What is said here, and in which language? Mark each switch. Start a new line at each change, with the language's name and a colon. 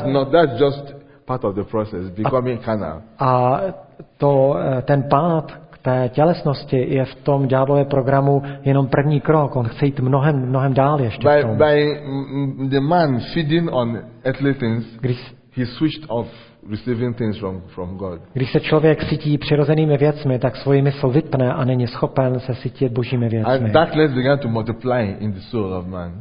English: That's just part of the process, becoming carnal.
Czech: A to ten pád k té tělesnosti je v tom ďáblově programu jenom první krok. On chce jít mnohem, mnohem dál ještě.
English: By the man feeding on earthly things, he switched off receiving things from God.
Czech: Když se člověk sytí přirozenými věcmi, tak svoji mysl vypne a není schopen se sytit božími věcmi.
English: And darkness began to multiply in the soul of man.